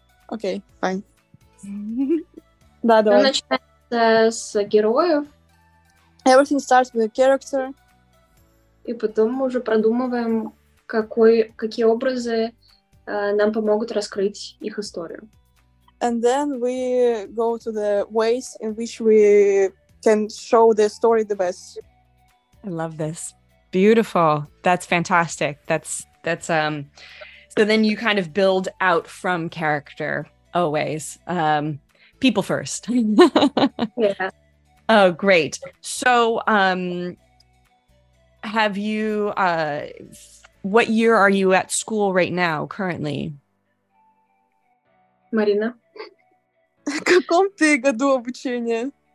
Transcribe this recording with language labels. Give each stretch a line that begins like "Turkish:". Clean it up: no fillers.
English: Okay, fine.
Russian: Да, давай. Начинается с героев.
English: Everything starts with a character.
Russian: И потом мы уже продумываем, какие образы нам помогут раскрыть их историю.
English: And then we go to the ways in which we can show the story the best. I love this. Beautiful. That's fantastic. That's so then you kind of build out from character always. People first. Yeah. Oh, great. So have you, what year are you at school right now currently? Marina.
Russian: В каком ты году обучения?